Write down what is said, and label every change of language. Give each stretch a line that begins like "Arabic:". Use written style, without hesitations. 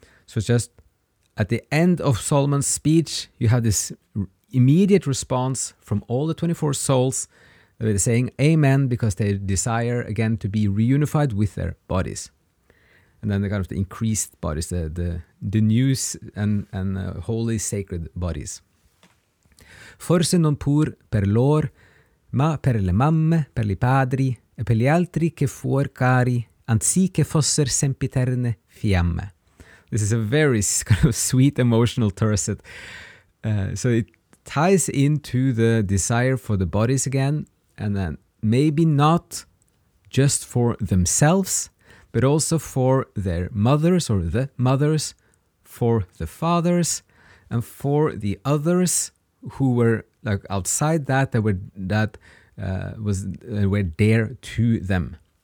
English: So just at the end of Solomon's speech, you have this immediate response from all the 24 souls that are saying amen, because they desire again to be reunified with their bodies. And then the kind of the increased bodies, the new and holy sacred bodies.
Italian: Forse non pur per lor, ma per le mamme, per i padri, e per gli altri che fuor cari, anzi che fosser sempiterne fiamme.
English: This is a very kind of sweet emotional terset. So it ties into the desire for the bodies again, and then maybe not just for themselves, but also for their mothers or the mothers, for the fathers, and for the others who were like outside that, that were dear to them.